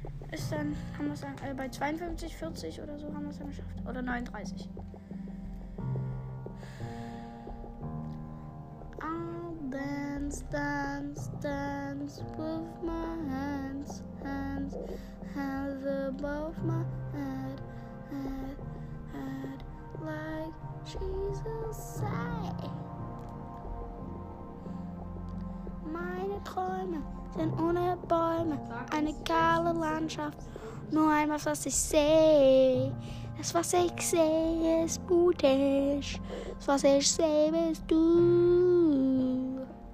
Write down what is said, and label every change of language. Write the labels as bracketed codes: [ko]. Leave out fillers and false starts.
[de] Ist dann, haben wir es dann bei 52, 40 oder so haben wir es dann geschafft. Oder 39. [en] I'll dance, dance, dance with my hands, hands, hands above my head, head, head, like Jesus said. [de] Meine Träume sind ohne Bäume, eine kahle Landschaft. Nur einmal, was ich sehe, das, was ich sehe, ist mutig. Das, was ich sehe, bist du.